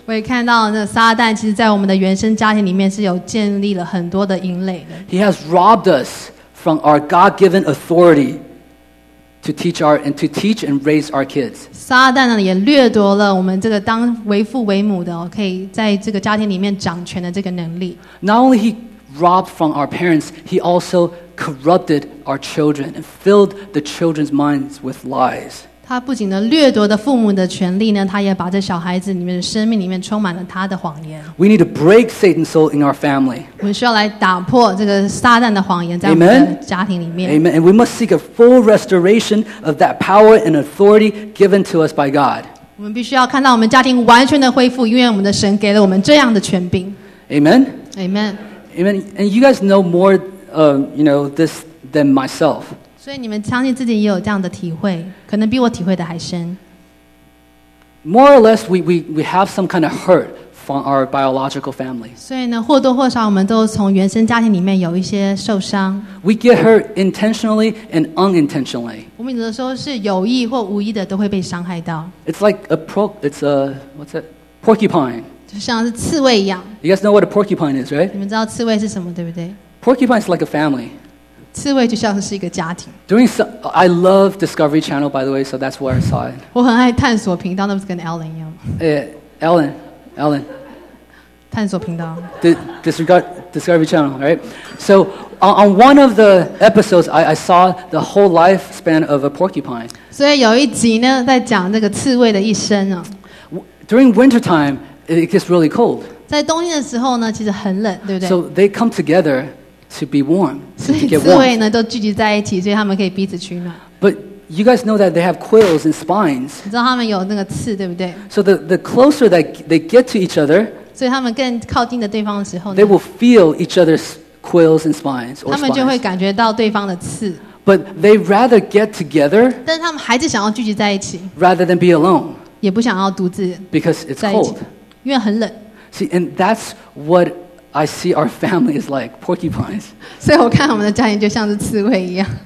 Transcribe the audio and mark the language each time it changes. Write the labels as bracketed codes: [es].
[zh] 我也看到那撒旦其实在我们的原生家庭里面是有建立了很多的营垒的。 [en] He has robbed us from our God-given authority to teach and raise our kids. [zh] 撒旦呢也掠夺了我们这个当为父为母的可以在这个家庭里面掌权的这个能力。 [en] Not only he robbed from our parents, he also corrupted our children and filled the children's minds with lies. [zh] 他不仅呢掠夺了父母的权利呢，他也把这小孩子里面的生命里面充满了他的谎言。 [en] We need to break Satan's soul in our family. [zh] 我们需要来打破这个撒旦的谎言在我们的家庭里面。 [en] Amen. And we must seek a full restoration of that power and authority given to us by God. [zh] 我们必须要看到我们家庭完全的恢复，因为我们的神给了我们这样的权柄。 [en] Amen. Amen. Amen. And you guys know more, you know, this than myself. [zh] 所以你们相信自己也有这样的体会，可能比我体会的还深。 [en] More or less, we have some kind of hurt from our biological family. [zh] 所以呢，或多或少我们都从原生家庭里面有一些受伤。 [en] We get hurt intentionally and unintentionally. [zh] 我们有的时候是有意或无意的都会被伤害到。 [en] It's like a pro. It's a what's it? Porcupine. [zh] 就像是刺猬一样。 [en] You guys know what a porcupine is, right? [zh] 你们知道刺猬是什么，对不对 [en] ？Porcupine is like a family. [zh] 刺猬就像是一个家庭。 [en] Doing some, I love Discovery Channel, by the way, so that's where I saw it. [zh] 我很爱探索频道，那不是跟 Ellen 一样吗？ [en] Ellen. [zh] 探索频道。 [en] Discovery Channel, right? So on one of the episodes, I saw the whole lifespan of a porcupine. [zh] 所以有一集呢，在讲这个刺猬的一生啊。 [en] During winter time, it gets really cold. [zh] 在冬天的时候呢，其实很冷，对不对 [en] ？So they come together. To be warm, to get warm. [zh] 所以刺猬呢都聚集在一起，所以他们可以彼此取暖。 [en] But you guys know that they have quills and spines. [zh] 你知道他们有那个刺，对不对 [en] ？So the closer that they get to each other, [zh] 所以他们更靠近的对方的时候 [en] ，they will feel each other's quills and spines. [zh] 他们就会感觉到对方的刺。 [en] But they rather get together. [zh] 但是他们还是想要聚集在一起。 [en] Rather than be alone. [zh] 也不想要独自。 [en] Because it's cold. [zh] 因为很冷。 [en] See, and that's what. I see our family is like porcupines. [zh] 所以我看我们的家庭就像是刺猬一样。